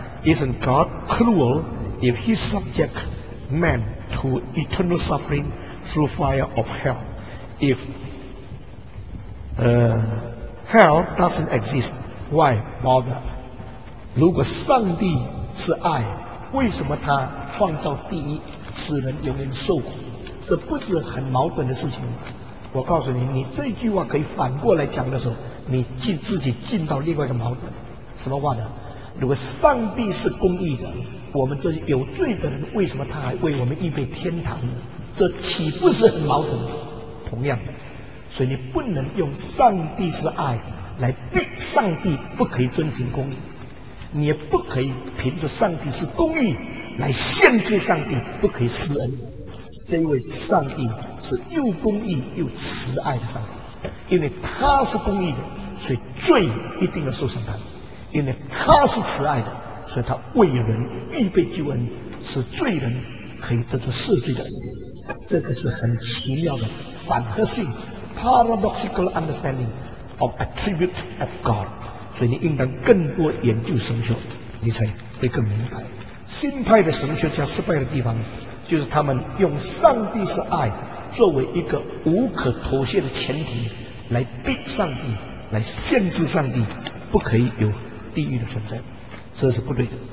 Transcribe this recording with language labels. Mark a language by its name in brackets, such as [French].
[English] Isn't God cruel if he subjects man to eternal suffering through fire of hell? If hell doesn't exist, why bother? [Chinese] 如果上帝是爱，为什么他创造地狱使人永远受苦？这不是很矛盾的事情。我告诉你，你这句话可以反过来讲的时候，你自己进到另外一个矛盾。什么话呢？如果上帝是公义的，我们这些有罪的人为什么他还为我们预备天堂呢？这岂不是很矛盾吗？同样的，所以你不能用上帝是爱来逼上帝不可以遵行公义，你也不可以凭着上帝是公义来限制上帝不可以施恩。这一位上帝是又公义又慈爱的上帝，因为他是公义的，所以罪一定要受审判；因为他是慈爱的，所以他为人预备救恩，使罪人可以得到赦罪的。这个是很奇妙的反合性 [English] paradoxical understanding of attribute of God。 [Chinese] 所以你应当更多研究神学，你才会更明白。新派的神学家失败的地方，就是他们用上帝是爱作为一个无可妥协的前提，来逼上帝，来限制上帝，不可以有地狱的存在，这是不对的。